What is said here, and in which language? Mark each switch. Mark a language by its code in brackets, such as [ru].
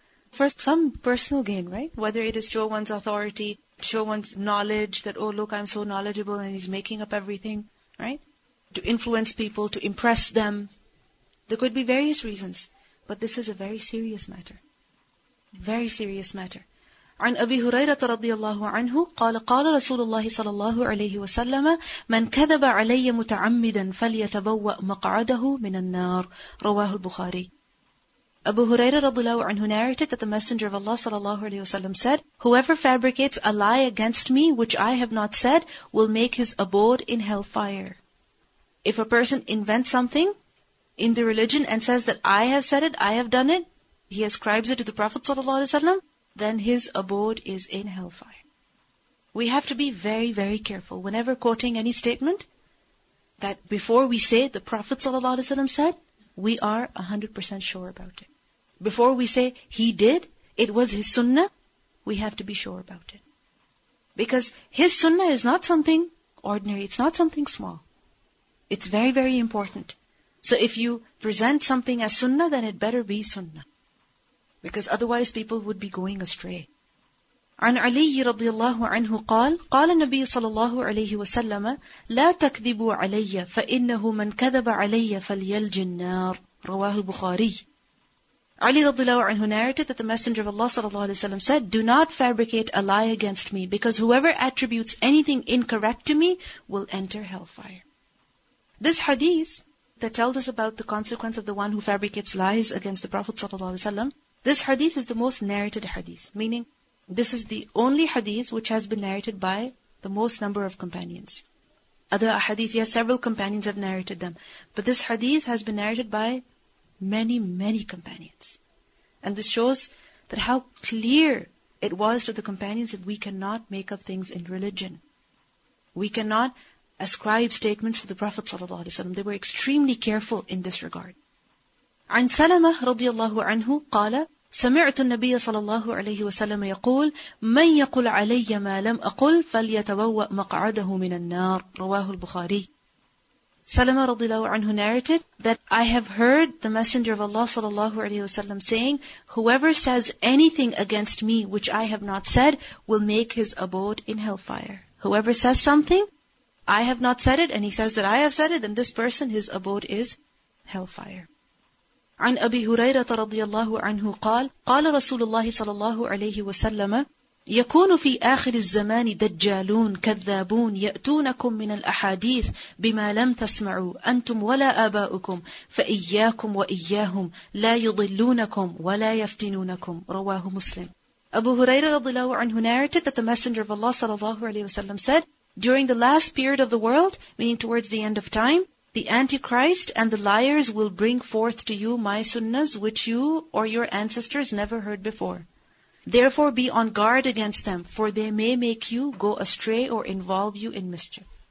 [en] First, some personal gain, right? Whether it is show one's authority, show one's knowledge, that, oh look, I'm so knowledgeable and he's making up everything, right? To influence people, to impress them. There could be various reasons, but this is a very serious matter. Very serious matter. [ar] عن أبي هريرة رضي الله عنه قال قال رسول الله صلى الله عليه وسلم من كذب علي متعمدا فليتبوأ مقعده من النار رواه البخاري. [en] أبو هريرة رضي الله عنه narrated that the Messenger of Allah صلى الله عليه وسلم said, whoever fabricates a lie against me which I have not said will make his abode in hellfire. If a person invents something in the religion and says that I have said it, I have done it, he ascribes it to the Prophet صلى الله عليه وسلم, then his abode is in hellfire. We have to be very, very careful whenever quoting any statement that before we say the Prophet ﷺ said, we are 100% sure about it. Before we say he did, it was his sunnah, we have to be sure about it. Because his sunnah is not something ordinary, it's not something small. It's very, very important. So if you present something as sunnah, then it better be sunnah. Because otherwise people would be going astray. [ar] عن علي رضي الله عنه قال قال النبي صلى الله عليه وسلم لا تكذبوا علي فإنه من كذب علي فليلج النار رواه البخاري. [en] علي رضي الله عنه narrated that the Messenger of Allah صلى الله عليه وسلم said, do not fabricate a lie against me, because whoever attributes anything incorrect to me will enter hellfire. This hadith that tells us about the consequence of the one who fabricates lies against the Prophet صلى الله عليه وسلم, this hadith is the most narrated hadith, meaning this is the only hadith which has been narrated by the most number of companions. Other hadith, yes, several companions have narrated them. But this hadith has been narrated by many, many companions. And this shows that how clear it was to the companions that we cannot make up things in religion. We cannot ascribe statements to the Prophet ﷺ. They were extremely careful in this regard. [ar] عن سلمة رضي الله عنه قال سمعت النبي صلى الله عليه وسلم يقول من يقول علي ما لم أقول فليتبوأ مقعده من النار رواه البخاري. [en] سلمة رضي الله عنه narrated that I have heard the Messenger of Allah صلى الله عليه وسلم saying, whoever says anything against me which I have not said will make his abode in hellfire. Whoever says something, I have not said it, and he says that I have said it, then this person, his abode is hellfire. [ar] عن أبي هريرة رضي الله عنه قال قال رسول الله صلى الله عليه وسلم يكون في آخر الزمان دجالون كذابون يأتونكم من الأحاديث بما لم تسمعوا أنتم ولا آباؤكم فإياكم وإياهم لا يضلونكم ولا يفتنونكم رواه مسلم. [en] أبو هريرة رضي الله عنه narrated that the Messenger of Allah صلى الله عليه وسلم said, during the last period of the world, meaning towards the end of time, the Antichrist and the liars will bring forth to you my sunnahs, which you or your ancestors never heard before. Therefore be on guard against them, for they may make you go astray or involve you in mischief.